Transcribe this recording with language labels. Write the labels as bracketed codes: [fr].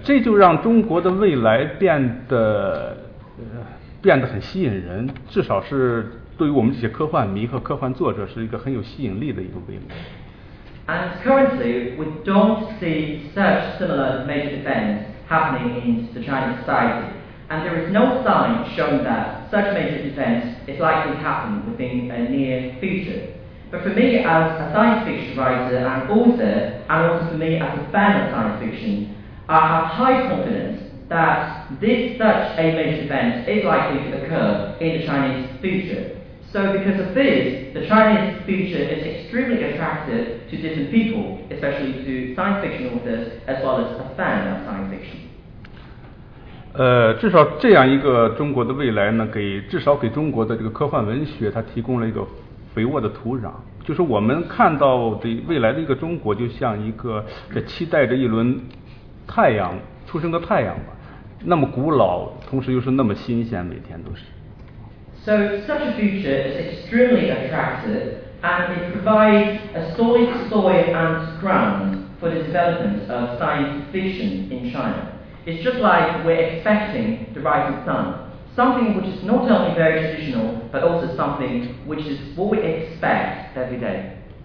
[zh] 这就让中国的未来变得很吸引人，至少是对于我们这些科幻迷和科幻作者是一个很有吸引力的一个未来。 [en] And currently, we don't see such similar major events happening in the Chinese society. And there is no sign showing that such major events is likely to happen within a near future. But for me as a science fiction writer and author, and also for me as a fan of science fiction, I have high confidence that this such a major event is likely to occur in the Chinese future. So because of this, the Chinese future is extremely attractive to different people, especially to science fiction authors as well as a fan of science fiction. [zh] 至少这样一个中国的未来呢，给至少给中国的这个科幻文学它提供了一个肥沃的土壤。就是我们看到的未来的一个中国，就像一个在期待着一轮太阳出生的太阳吧，那么古老，同时又是那么新鲜，每天都是。 [en] So such a future is extremely attractive and it provides a solid soil and ground for the development of science fiction in China. It's just like we're expecting the rising sun, something which is not only very traditional, but also something which is what we expect every day.